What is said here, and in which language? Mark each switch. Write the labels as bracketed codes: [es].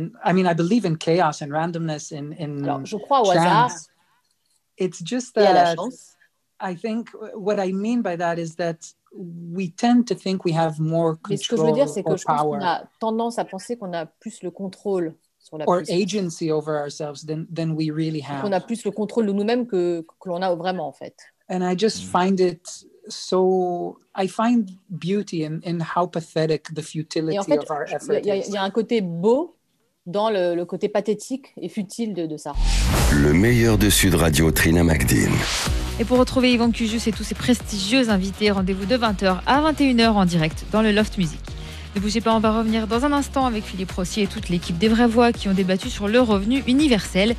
[en] I mean, I believe in chaos and randomness in. [fr] Alors, je crois au hasard. [en] It's just that. I think what I mean by that is that we tend to think we have more control or power. [fr] On a tendance à penser qu'on a plus le contrôle sur la [en] or agency over ourselves than we really have. [fr] On a plus le contrôle de nous-mêmes que l'on a vraiment, en fait. [en] And I just find it so. I find beauty in how pathetic the futility [fr] en fait, [en] of our effort is. [fr] Il y a un côté beau dans le côté pathétique et futile de ça. Le meilleur de Sud Radio, Trina McDean. Et pour retrouver Yvan Cujus et tous ses prestigieux invités, rendez-vous de 20h à 21h en direct dans le Loft Music. Ne bougez pas, on va revenir dans un instant avec Philippe Rossier et toute l'équipe des Vraies Voix qui ont débattu sur le revenu universel.